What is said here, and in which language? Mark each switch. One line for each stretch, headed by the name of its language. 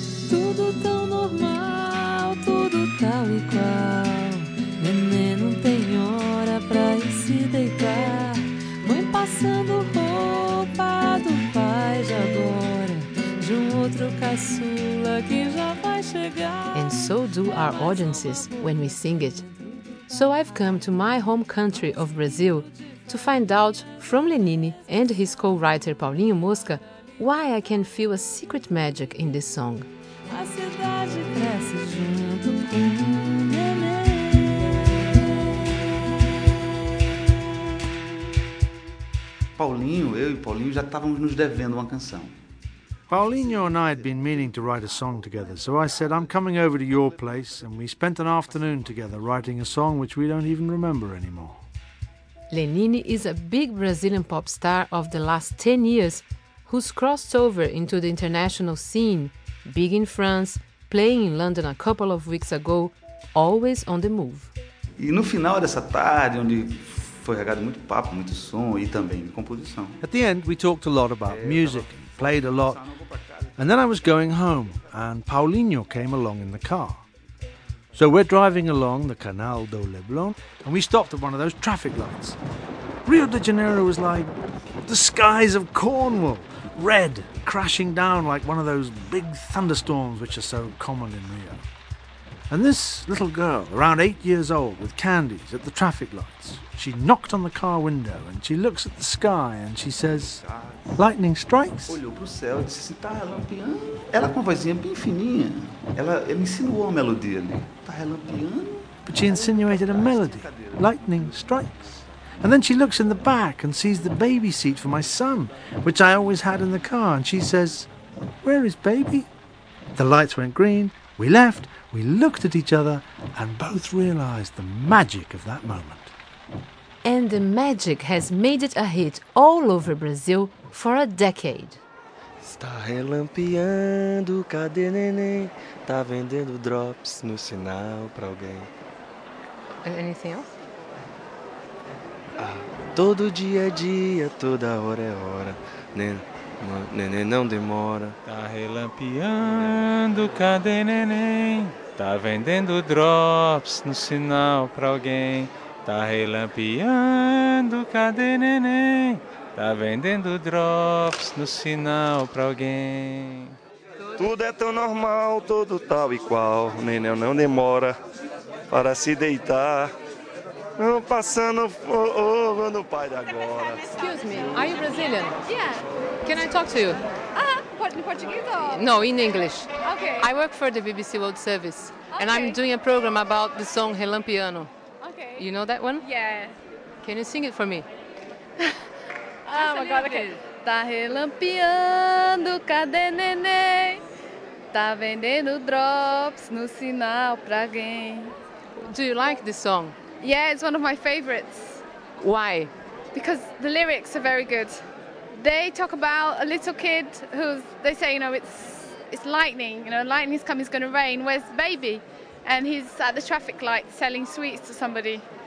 Portuguese: Tudo tão normal, tudo tal e qual. Nenê não tem hora pra ir se deitar. Passando roupa do pai de agora, de outro caçula que já vai chegar.
English: And so do our audiences when we sing it. So I've come to my home country of Brazil to find out from Lenine and his co-writer Paulinho Mosca why I can feel a secret magic in this song.
Portuguese: A cidade cresce junto com Paulinho, eu e Paulinho já estávamos nos devendo uma canção.
English: Paulinho and I had been meaning to write a song together, so I said, I'm coming over to your place, and we spent an afternoon together writing a song which we don't even remember anymore. Lenine is a big Brazilian pop star of the last 10 years who's crossed over into the international scene, big in France, playing in London a couple of weeks ago, always on the move.
Portuguese: E no final dessa tarde, onde foi regado muito papo, muito som e também composição.
English: At the end, we talked a lot about music, played a lot. And then I was going home, and Paulinho came along in the car. So we're driving along the Canal do Leblon, and we stopped at one of those traffic lights. Rio de Janeiro was like the skies of Cornwall. red, crashing down like one of those big thunderstorms which are so common in Rio. And this little girl, around 8 years old, with candies at the traffic lights, she knocked on the car window and she looks at the sky and she says, lightning strikes.
Portuguese: Olhou pro céu e disse assim, tá relampeando. Ela com vozinha bem fininha. Ela insinuou uma melodia ali. Tá relampeando.
English: But she insinuated a melody. Lightning strikes. And then she looks in the back and sees the baby seat for my son, which I always had in the car. And she says, where is baby? The lights went green. We left. We looked at each other and both realized the magic of that moment. And the magic has made it a hit all over Brazil for a decade.
Portuguese: Está relampeando, cadê neném? Tá vendendo drops no sinal pra alguém.
English: Anything else?
Portuguese: Ah, todo dia é dia, toda hora é hora. Neném não demora. Está relampeando, cadê neném? Tá vendendo drops no sinal pra alguém. Tá relampeando, cadê neném? Tá vendendo drops no sinal pra alguém. Tudo é tão normal, tudo tal e qual. Neném não demora para se deitar. Não passando fogo no pai de agora.
English: Excuse me, are you Brazilian? Yeah. Can I talk to you? In Portuguese or? No, in English. Okay. I work for the BBC World Service. And okay. I'm doing a program about the song Relampeando. Okay. You know that one? Yeah. Can you sing it for me? Oh my God, okay.
Portuguese: Tá relampeando, cadê neném? Tá vendendo drops no sinal pra alguém.
English: Do you like this song? Yeah, it's one of my favorites. Why? Because the lyrics are very good. They talk about a little kid who's, they say, you know, it's lightning, you know, lightning's coming, it's going to rain. Where's the baby? And he's at the traffic light selling sweets to somebody.